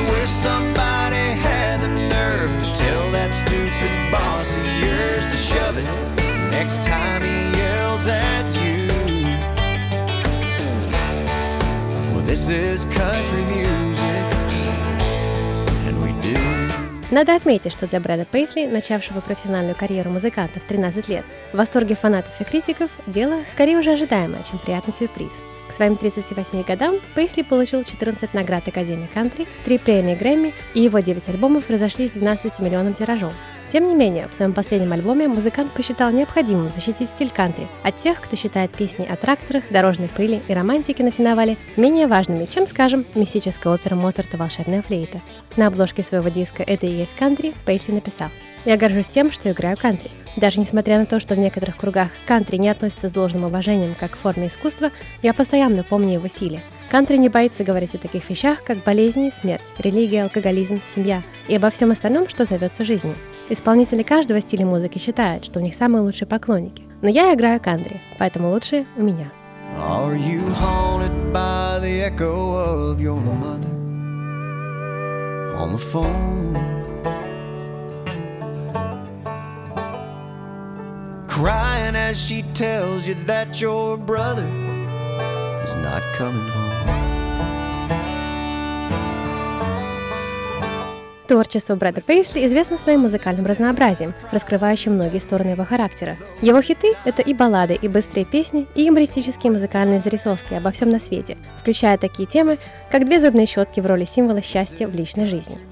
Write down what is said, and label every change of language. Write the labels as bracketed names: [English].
[English] Somebody had the nerve to tell that stupid boss of yours to shove it next time he yells at you. Well, this is country music, and we do. [Russian] Надо отметить, что для Брэда Пейсли, начавшего профессиональную карьеру музыканта в 13 лет, в восторге фанатов и критиков, дело скорее уже ожидаемое, чем приятный сюрприз. К своим 38 годам Пейсли получил 14 наград Академии Кантри, 3 премии Грэмми, и его 9 альбомов разошлись 12 миллионам тиражом. Тем не менее, в своем последнем альбоме музыкант посчитал необходимым защитить стиль кантри от тех, кто считает песни о тракторах, дорожной пыли и романтике на сеновале менее важными, чем, скажем, мистическая опера Моцарта «Волшебная флейта». На обложке своего диска «Это и есть кантри» Пейсли написал: «Я горжусь тем, что играю кантри. Даже несмотря на то, что в некоторых кругах кантри не относится с должным уважением как к форме искусства, я постоянно помню его силе. Кантри не боится говорить о таких вещах, как болезни, смерть, религия, алкоголизм, семья и обо всем остальном, что зовется жизнью. Исполнители каждого стиля музыки считают, что у них самые лучшие поклонники. Но я играю кантри, поэтому лучшие у меня». [English] Are you haunted by the echo of your mother on the phone? Crying as she tells you that your brother is not coming home. [Russian] Творчество Брэда Пейсли известно своим музыкальным разнообразием, раскрывающим многие стороны его характера. Его хиты — это и баллады, и быстрые песни, и юмористические музыкальные зарисовки обо всем на свете, включая такие темы, как две зубные щетки в роли символа счастья в личной жизни.